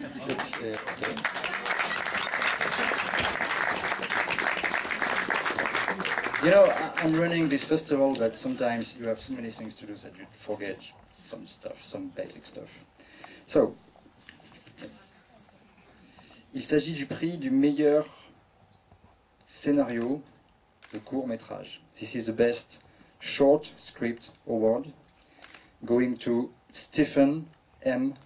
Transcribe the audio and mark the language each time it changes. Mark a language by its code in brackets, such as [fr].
[en] okay. You know, I'm running this festival, but sometimes you have so many things to do that you forget some stuff, some basic stuff. [fr] So, il s'agit du prix du meilleur scénario de court-métrage. [en] This is the best short script award going to Stephen M.